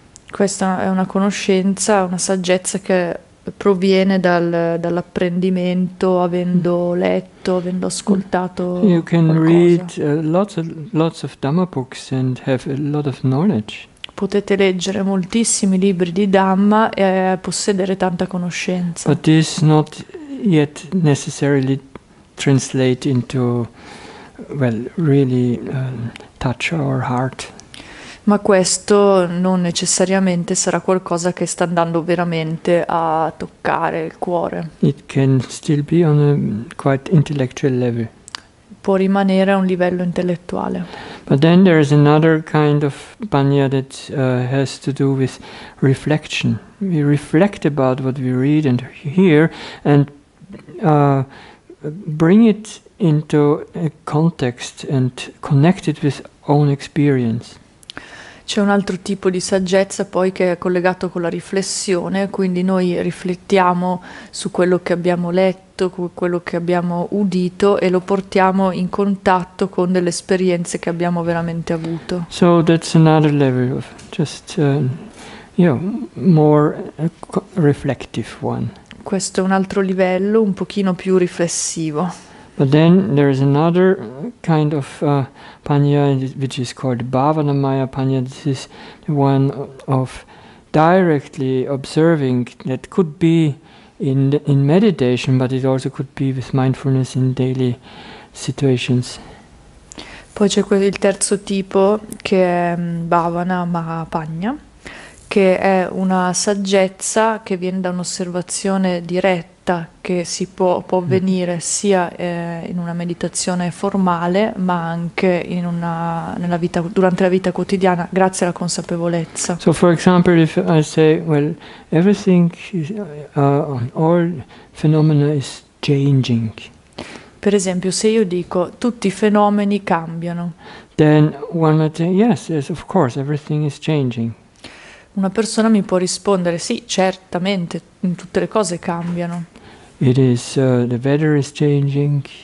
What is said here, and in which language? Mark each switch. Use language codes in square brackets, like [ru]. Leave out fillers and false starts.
[it] Questa è una conoscenza, una saggezza che proviene dall'apprendimento, avendo letto, avendo [en] You [it] ascoltato [en] can [it] qualcosa. [en] read lots of Dhamma books and have a lot of knowledge. [it] Potete leggere moltissimi libri di Dhamma e possedere tanta conoscenza. [en] But this not yet necessarily translate into, well, really touch our heart. [it] Ma questo non necessariamente sarà qualcosa che sta andando veramente a toccare il cuore. [en] It can still be on a quite intellectual level. [it] Può rimanere a un livello intellettuale. [en] But then there is another kind of banya that has to do with reflection. We reflect about what we read and hear and bring it into a context and connect it with own experience. [it] C'è un altro tipo di saggezza poi che è collegato con la riflessione, quindi noi riflettiamo su quello che abbiamo letto, con quello che abbiamo udito e lo portiamo in contatto con delle esperienze che abbiamo veramente avuto. [en] So that's another level of just, more reflective one. [it] Questo è un altro livello, un pochino più riflessivo. [en] But then there is another kind of panya, which is called Bhavanamaya panya. This is the one of directly observing that could be in meditation, but it also could be with mindfulness in daily situations. [it] Poi c'è il terzo tipo che è Bhavana Mahapanya, che è una saggezza che viene da un'osservazione diretta che si può avvenire sia in una meditazione formale, ma anche durante la vita quotidiana, grazie alla consapevolezza. [en] So, for example, if I say, well, everything is, all phenomena is changing, [it] Per esempio, se io dico tutti i fenomeni cambiano, [en] then one might say, yes, of course, everything is changing. [it] una persona mi può rispondere: sì, certamente, tutte le cose cambiano. [en] It is, the weather is changing.